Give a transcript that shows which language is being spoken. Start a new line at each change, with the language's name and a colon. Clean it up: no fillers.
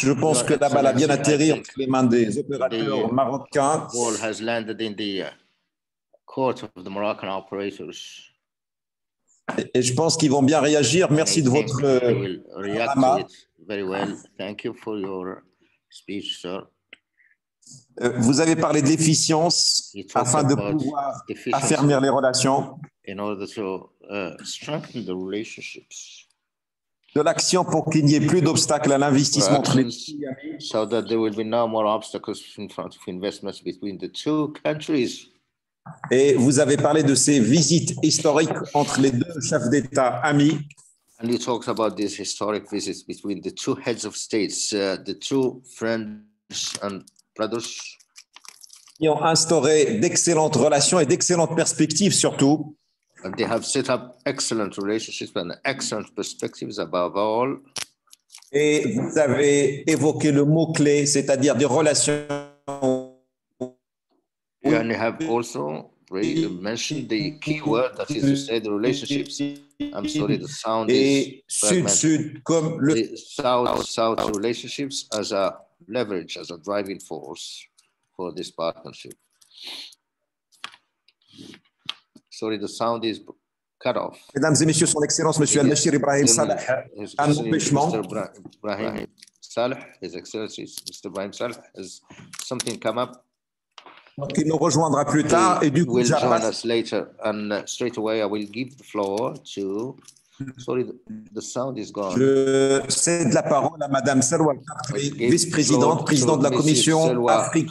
French: Je pense que la balle a bien atterri entre les mains des opérateurs marocains.
English: The ball has landed in the court of the Moroccan operators.
French: Et je pense qu'ils vont bien réagir. Merci de votre
English: drama. Very well. Thank you for your speech, sir.
French: Vous avez parlé d'efficience afin de pouvoir affermir les relations.
English: In order to strengthen the relationships.
French: De l'action pour qu'il n'y ait plus d'obstacles à l'investissement entre les pays.
English: So that there will be no more obstacles in front of investments between the two countries.
French: Et vous avez parlé de ces visites historiques entre les deux chefs d'État amis.
English: And you talked about these historic visits between the two heads of states, the two friends and brothers.
French: Qui ont instauré d'excellentes relations et d'excellentes perspectives surtout.
English: And they have set up excellent relationships and excellent perspectives above all.
French: Et vous avez évoqué le mot clé, c'est-à-dire des relations.
English: And you have also really mentioned the key word that is to say the relationships. I'm sorry, the sound
French: et
English: is
French: sud-sud comme le
English: south-south relationships as a leverage, as a driving force for this partnership. Sorry, the sound is cut off.
French: Mesdames et messieurs, son excellence, Monsieur Al-Bashir Ibrahim Saleh, un empêchement.
English: Ibrahim Saleh, His Excellency, Mr. Ibrahim Saleh, has something come up.
French: Il nous rejoindra plus tard et du coup, j'arrête.
English: Will join us later and straight away I will give the floor to. Sorry, the sound is gone.
French: Je cède la parole à Madame Serwa Karkri, vice-présidente, présidente de la Commission Afrique.